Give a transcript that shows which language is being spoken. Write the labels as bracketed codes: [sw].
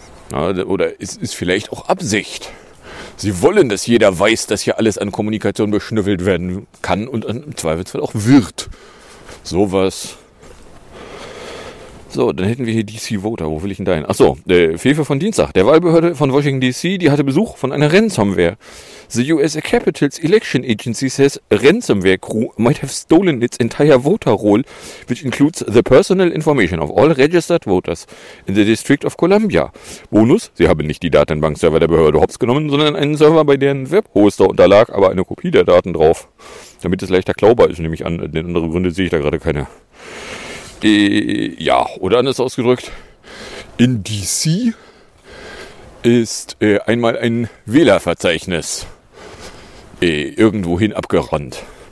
[de] Na, oder es ist vielleicht auch Absicht. Sie wollen, dass jeder weiß, dass hier alles an Kommunikation beschnüffelt werden kann und im Zweifelsfall auch wird. Sowas. So, dann hätten wir hier DC Voter. Wo will ich denn da hin? Achso, Fefe von Dienstag. Der Wahlbehörde von Washington DC, die hatte Besuch von einer Ransomware. [en] The US Capitals Election Agency says Ransomware Crew might have stolen its entire voter roll, which includes the personal information of all registered voters in the District of Columbia. [de] Bonus, sie haben nicht die Datenbankserver der Behörde hops genommen, sondern einen Server, bei deren Webhoster unterlag, aber eine Kopie der Daten drauf. Damit es leichter klaubar ist, nehme ich an. Denn andere Gründe sehe ich da gerade keine. Ja, oder anders ausgedrückt, in DC ist einmal ein Wählerverzeichnis irgendwohin abgerannt.